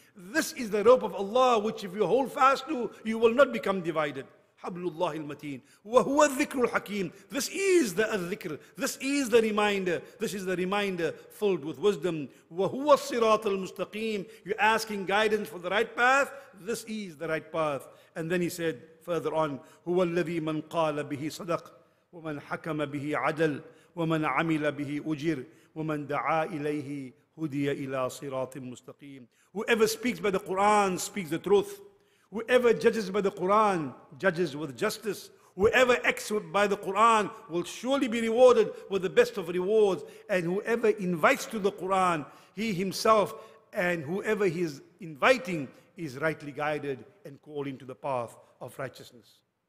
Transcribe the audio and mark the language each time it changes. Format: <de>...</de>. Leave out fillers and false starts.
<en>This is the rope of Allah, which if you hold fast to, you will not become divided.</en> <ar>حَبْلُ اللَّهِ الْمَتِينَ وَهُوَ الذِّكْرُ الْحَكِيمُ.</ar> <en>This is the al-dhikr. This is the reminder. This is the reminder filled with wisdom.</en> <ar>وَهُوَ الصِّرَاطُ الْمُسْتَقِيمُ.</ar> <en>You're asking guidance for the right path. This is the right path. And then he said further on,</en> <ar>هُوَ الَّذِي مَنْ قَالَ بِهِ صَدَقْ وَمَنْ حَكَمَ بِهِ عَدَلْ وَمَنْ عَمِلَ بِهِ أُجِرْ وَمَنْ دَعَى إِلَيْهِ هُدِيَ إِلَىٰ صِرَاطٍ مُسْتَقِيمٍ.</ar> <en>Whoever speaks by the Quran speaks the truth. Whoever judges by the Quran judges with justice. Whoever acts by the Quran will surely be rewarded with the best of rewards. And whoever invites to the Quran, he himself and whoever he is inviting is rightly guided and called into the path of righteousness.</en>